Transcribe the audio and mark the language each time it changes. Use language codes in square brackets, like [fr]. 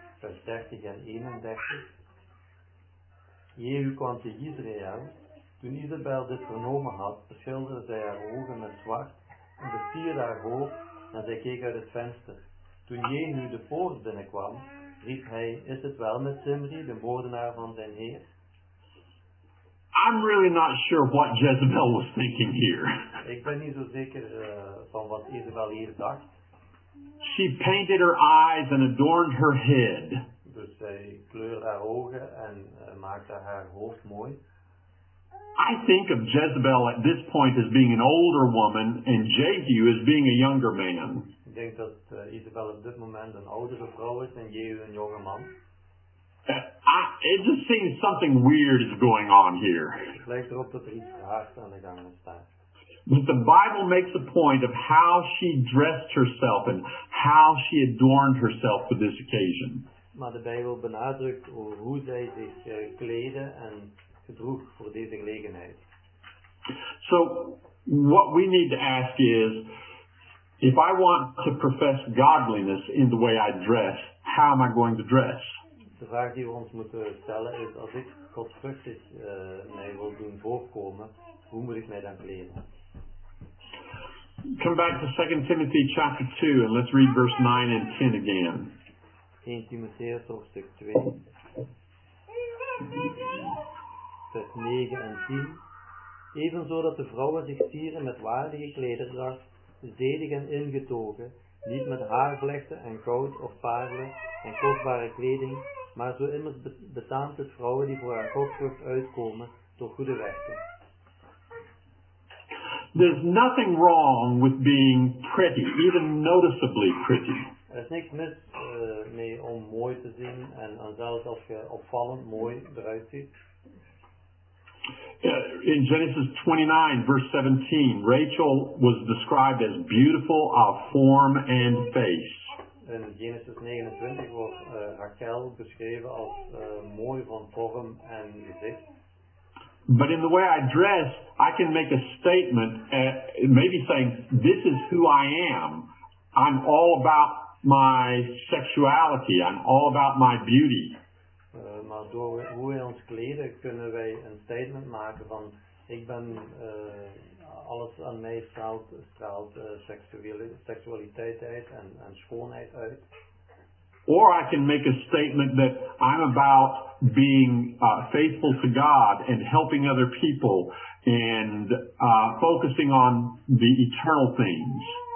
[nl] Vers 30 en 31. Jehu kwam te Israël. Toen Isabel dit vernomen had, beschilderde zij haar ogen met zwart en bevierde haar hoofd en zij keek uit het venster. Toen Jehu de poort binnenkwam, riep hij, is het wel met Zimri, de moordenaar van zijn heer? [en] I'm really not sure what Jezebel was thinking here. [nl] Ik ben niet zo zeker van wat Isabel hier dacht. [en] She painted her eyes and adorned her head. [nl] Dus zij kleurde haar ogen en maakte haar hoofd mooi. [en] I think of Jezebel at this point as being an older woman and Jehu as being a younger man. [nl] Ik denk dat Isabel op dit moment een oudere vrouw is en Jehu een jonge man. [en] It just seems something weird is going on here. [nl] Het lijkt erop dat er iets raars aan de gang is. [en] But the Bible makes a point of how she dressed herself and how she adorned herself for this occasion. [nl] Maar de Bijbel benadrukt over hoe zij zich kleden en gedroeg voor deze gelegenheid. [en] So, what we need to ask is, if I want to profess godliness in the way I dress, how am I going to dress? [nl] De vraag die we ons moeten stellen is, als ik godvruchtig mij wil doen voorkomen, hoe moet ik mij dan kleden? [en] Come back to 2 Timothy chapter 2 and let's read verse 9 and 10 again. [nl] 1 Timotheus hoofdstuk 2. Vers 9 en 10. Evenzo dat de vrouwen zich sieren met waardige klederdracht, zedig en ingetogen, niet met haarvlechten en goud of paarlen en kostbare kleding, maar zo immers betaamt het vrouwen die voor haar godsvrucht uitkomen door goede werken. [en] There's nothing wrong with being pretty, even noticeably pretty. [nl] Er is niks mis mee om mooi te zien en zelfs als je opvallend mooi eruit ziet. [en] In Genesis 29, verse 17, Rachel was described as beautiful of form and face. [nl] In Genesis 29 wordt Rachel beschreven als mooi van vorm en gezicht. [en] But in the way I dress, I can make a statement, maybe saying, this is who I am. I'm all about my sexuality. I'm all about my beauty. [nl] Maar door hoe wij ons kleden kunnen wij een statement maken van ik ben alles aan mij straalt seksualiteit uit en schoonheid uit. [en] Or I can make a statement that I'm about being faithful to God and helping other people and focusing on the eternal things.